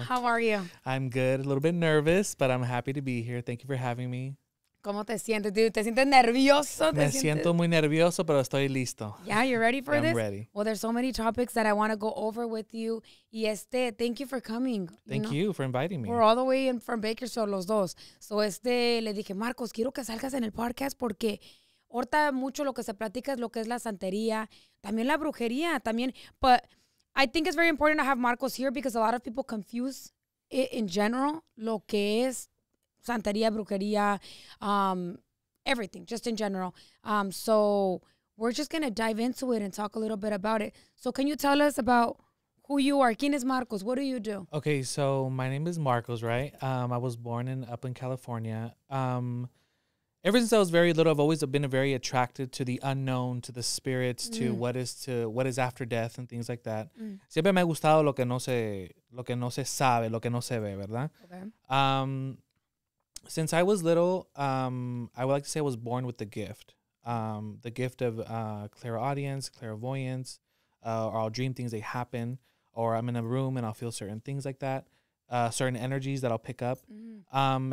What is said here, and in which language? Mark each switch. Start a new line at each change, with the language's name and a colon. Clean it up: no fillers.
English: How are you? I'm good. A little bit nervous, but I'm happy to be here. Thank you for having me.
Spanish: ¿Cómo te sientes, dude? ¿Te sientes nervioso? Me siento muy nervioso, pero estoy listo.
English: Yeah, you're ready for this? I'm ready. Well, there's so many topics that I want to go over with you. Y thank you for coming. Thank you for inviting me. We're all the way in from Bakersfield,
Spanish: los dos.
English: So
Spanish: le dije, Marcos, quiero que salgas en el podcast porque ahorita mucho lo que se platica es lo que es la santería, también la brujería, también.
English: But I think it's very important to have Marcos here because a lot of people confuse it in general,
Spanish: lo que es santería, brujería,
English: everything, just in general. So we're just going to dive into it and talk a little bit about it. So can you tell us about who you are?
Spanish: ¿Quién es Marcos?
English: What do you do? Okay, so my name is Marcos, right? I was born in up in California. Ever since I was very little, I've always been very attracted to the unknown, to the spirits, to what is after death and things like that. Mm.
Spanish: Siempre me ha gustado lo que no se sabe, lo que no se ve, ¿verdad?
English: Okay. Since I was little, I would like to say I was born with the gift of clairaudience, clairvoyance, or I'll dream things, they happen, or I'm in a room and I'll feel certain things like that, certain energies that I'll pick up. Mm-hmm.